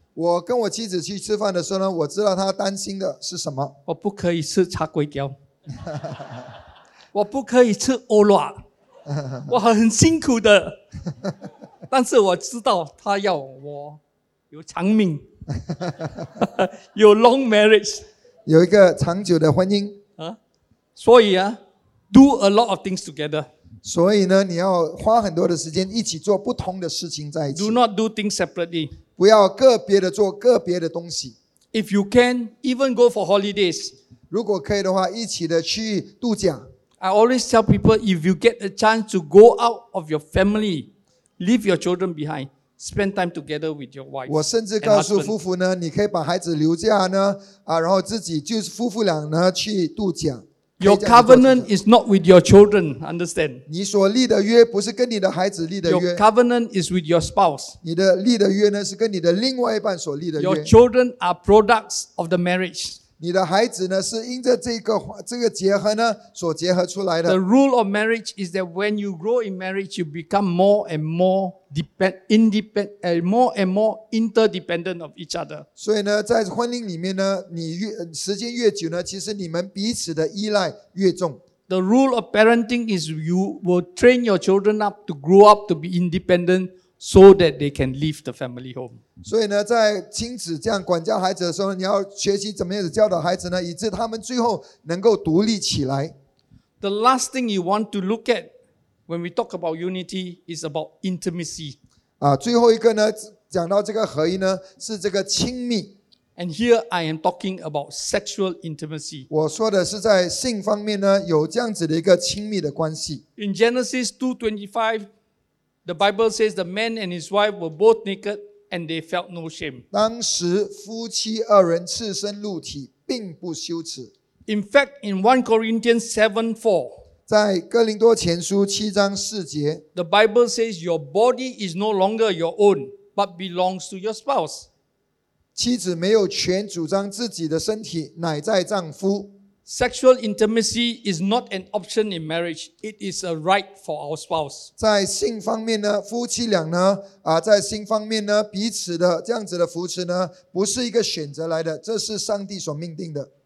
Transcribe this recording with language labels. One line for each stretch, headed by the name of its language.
Chinese: 我跟我妻子去吃饭的时候呢，我知道她担心的是什么。我不可以吃叉龟雕，我不可以吃欧拉，我很辛苦的。但是我知道她要我有长命，有 long marriage，有一个长久的婚姻。
English: 所以啊，do a lot of things together。
Chinese: 所以呢，你要花很多的时间一起做不同的事情在一起。
English: Do not do things separately.
Chinese: 不要个别的做个别的东西。
English: If you can, even go for holidays.
Chinese: 如果可以的话，一起的去度假。
English: I always tell people, if you get a chance to go out of your family, leave your children behind, spend time together with your wife.
Chinese: 我甚至告诉夫妇呢，你可以把孩子留下呢，啊，然后自己就是夫妇俩呢去度假。
English: Your covenant is not with your children, understand?
Chinese: 你所立的约不是跟你的孩子立的约。
English: Your covenant is with your spouse.
Chinese: 你的立的约呢是跟你的另外一半所立的约。
English: Your children are products of the marriage.
Chinese: 你的孩子呢是因着这个结合呢所结合出来的。
English: The rule of marriage is that when you grow in marriage, you become more and more more and more interdependent of each other.
Chinese: 所以呢，在婚姻里面呢，你越时间越久呢，其实你们彼此的依赖越重。
English: The rule of parenting is you will train your children up to grow up to be independent, so that they can leave the family home.
Chinese: 所以呢，在亲子这样管教孩子的时候，你要学习怎么样子教导孩子呢，以致他们最后能够独立起来。
English: The last thing you want to look at. When we talk about unity, it's about intimacy.
Chinese: 啊，最后一个呢，讲到这个合一呢，是这个亲密。
English: And here I am talking about sexual intimacy.
Chinese: 我说的是在性方面呢，有这样子的一个亲密的关系。
English: In Genesis 2:25, the Bible says the man and his wife were both naked and they felt no shame.
Chinese: 当时夫妻二人赤身露体，并不羞耻。
English: In fact, in 1 Corinthians 7:4.
Chinese: 在哥林多前书七章四节
English: ，The Bible says your body is no longer your own, but belongs to your spouse.
Chinese: 妻子没有权主张自己的身体，乃在丈夫。
English: Sexual intimacy is not an option in marriage; it is a right for our spouse.
Chinese: 在性方面呢，夫妻俩呢，啊，在性方面呢，彼此的这样子的扶持呢，不是一个选择来的，这是上帝所命定的。